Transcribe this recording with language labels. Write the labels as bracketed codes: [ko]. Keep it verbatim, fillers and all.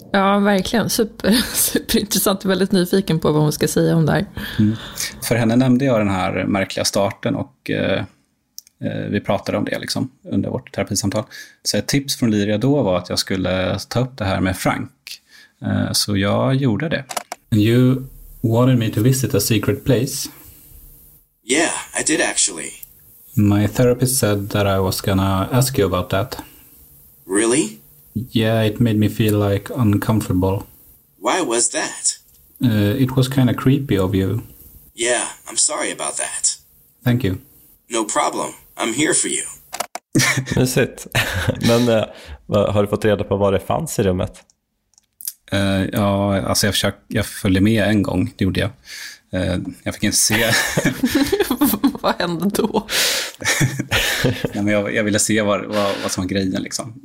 [sv] Ja, verkligen. Super, superintressant. Väldigt nyfiken på vad hon ska säga om det här. Mm. För henne nämnde jag den här märkliga starten och eh, vi pratade om det liksom, under vårt terapisamtal. Så ett tips från Liria då var att jag skulle ta upp det här med Frank. Eh, så jag gjorde det. [en] And you wanted me to visit a secret place? Yeah, I did actually. My therapist said that I was gonna ask you about that. Really? Yeah, it made me feel, like, uncomfortable. Why was that? Uh, it was kind of creepy of you. Yeah, I'm sorry about that. Thank you. No problem. I'm here for you. [sv] Mysigt. Men uh, har du fått reda på vad det fanns i rummet? Uh, ja, alltså jag, försökte, jag följde med en gång, det gjorde jag. Uh, jag fick inte se... Vad hände då? Nej, men jag, jag ville se vad, vad, vad som var grejen. Liksom.